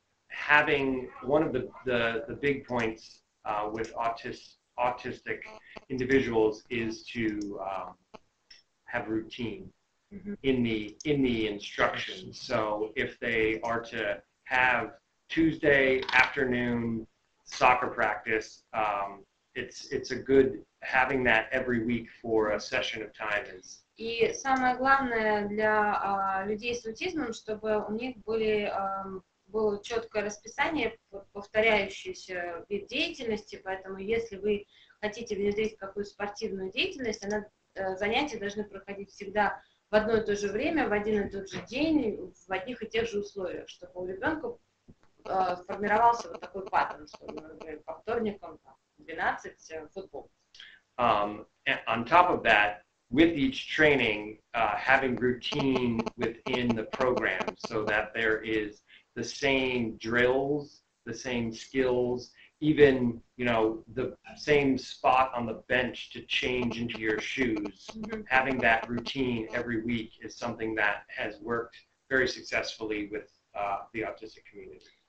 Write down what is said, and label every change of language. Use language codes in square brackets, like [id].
[en] Having one of the big points with autistic individuals is to have routine. In the instruction. So if they are to have Tuesday afternoon soccer practice, it's a good having that every week for a session of time is. [ru] И самое главное для людей с аутизмом, чтобы у них было четкое расписание, повторяющийся вид деятельности. Поэтому если вы хотите внедрить какую-то спортивную деятельность, она занятия должны проходить всегда в одно и то же время, в один и тот же день, в одних и тех же условиях, чтобы у ребенка сформировался вот такой паттерн, чтобы, например, по вторникам, там, 12, футбол. [en] On top of that, with each training, having routine within the program, so that there is the same drills, the same skills, even, you know, the same spot on the bench to change into your shoes, having that routine every week is something that has worked very successfully with the autistic community.